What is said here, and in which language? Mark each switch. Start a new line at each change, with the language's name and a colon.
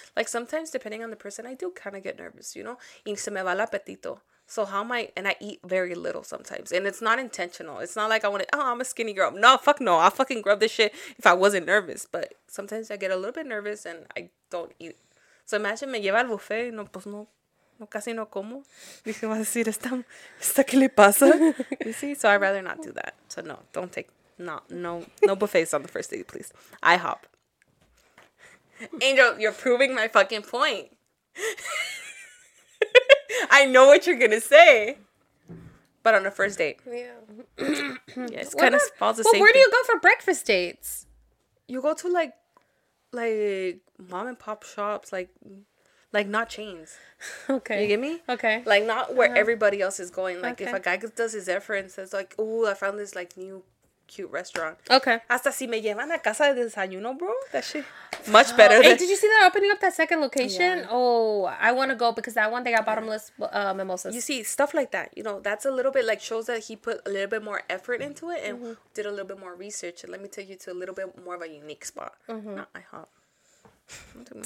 English: Like, sometimes, depending on the person, I do kind of get nervous, you know?
Spanish: Y se me va el apetito.
English: So how am I, and I eat very little sometimes, and it's not intentional. It's not like I want to, oh, I'm a skinny girl. No, fuck no. I'll fucking grub this shit if I wasn't nervous, but sometimes I get a little bit nervous and I don't eat. So imagine
Spanish: me lleva al buffet, no, pues no, no, casi no como. Dije, va a decir, ¿está qué le pasa?
English: You see, so I'd rather not do that. So no, don't take, no buffets on the first day, please. IHOP. Angel, you're proving my fucking point. I know what you're going to say, but on a first date. Yeah. Yeah, it's kind of falls the same thing. Where do you go for breakfast dates? You go to, like, like mom and pop shops, like not chains. Okay. You get me? Okay. Like not where everybody else is going. Like okay. If a guy does his effort and says like, "Ooh, I found this like new cute restaurant." Okay.
Spanish: Hasta si me llevan a casa de desayuno, bro.
English: That shit. Much better. Hey, did you see that opening up that second location? Yeah. Oh, I want to go because that one, they got bottomless mimosas. You see, stuff like that, you know, that's a little bit like shows that he put a little bit more effort into it and did a little bit more research. And let me take you to a little bit more of a unique spot. Not IHOP.